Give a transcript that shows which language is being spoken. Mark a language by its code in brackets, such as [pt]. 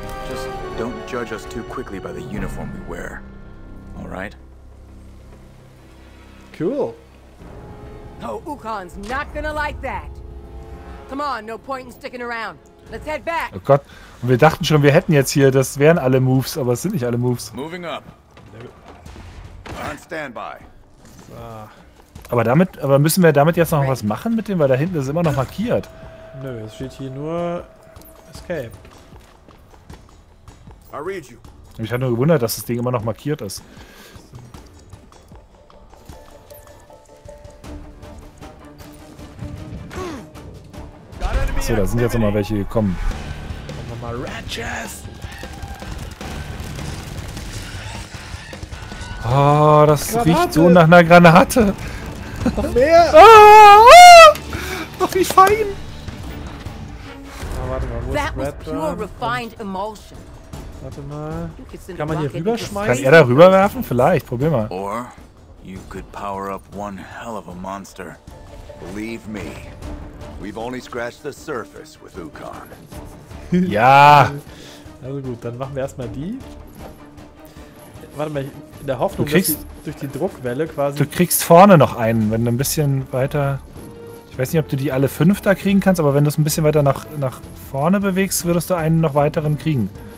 [en] Just don't judge us too quickly by the uniform we wear. Alright? Cool. No, Ukon's not gonna like that. Come on, no point in sticking around. Let's head back. [de] Oh Gott, und wir dachten schon, wir hätten jetzt hier, das wären alle Moves, aber es sind nicht alle Moves. [en] Moving up. On standby. [de] So. Aber müssen wir damit jetzt noch was machen mit dem, weil da hinten ist immer noch markiert. Nö, es steht hier nur Escape. [en] I read you. [de] Mich hat nur gewundert, dass das Ding immer noch markiert ist. So, da sind jetzt nochmal welche gekommen. Nochmal Ratchets! Oh, das Granate. Riecht so nach einer Granate! Noch mehr! Ah, ah, ah. Ach, wie fein! Na, warte mal, wo ist Brad dann? Warte mal. Kann man hier rüberschmeißen? Kann er da rüberwerfen? Vielleicht, probier mal. Oder du könntest [en] power up one hell of a monster. Believe me. We've only scratched the surface with Ukon. [de] Ja! Also gut, dann machen wir erstmal die. Warte mal, in der Hoffnung, dass du durch die Druckwelle quasi. Du kriegst vorne noch einen, wenn du ein bisschen weiter. Ich weiß nicht, ob du die alle fünf da kriegen kannst, aber wenn du es ein bisschen weiter nach vorne bewegst, würdest du einen noch weiteren kriegen.